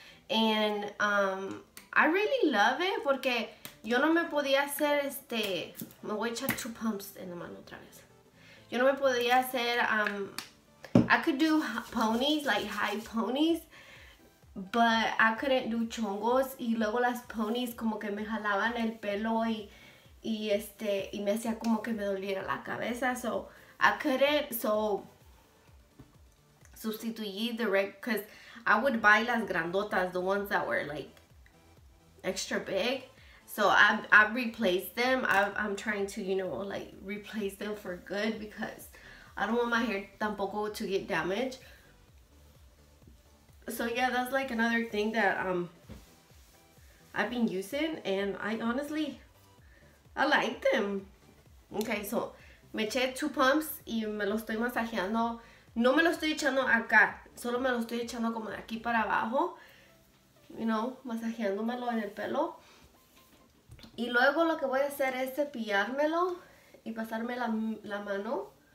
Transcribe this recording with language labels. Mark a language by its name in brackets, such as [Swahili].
[English] And I really love it [Spanish] porque yo no me podía hacer este, me voy a echar 2 pumps en la mano otra vez. Yo no me podía hacer, [English] I could do ponies, like high ponies, but I couldn't do chongos. [Spanish] Y luego las ponies como que me jalaban el pelo y me hacía como que me doliera la cabeza. [English] So I couldn't, so sustituí the red, because I would buy [Spanish] las grandotas, [English] the ones that were like extra big. So I've replaced them. I'm trying to, you know, like replace them for good because I don't want my hair tampoco to get damaged. So yeah, that's like another thing that I've been using, and I like them. [Spanish] Okay, so me eché 2 pumps y me lo estoy masajeando. No me lo estoy echando acá. Solo me lo estoy echando como de aquí para abajo, [English] you know, [Spanish] masajeándomelo en el pelo. Y luego lo que voy a hacer es cepillármelo y pasarme la mano.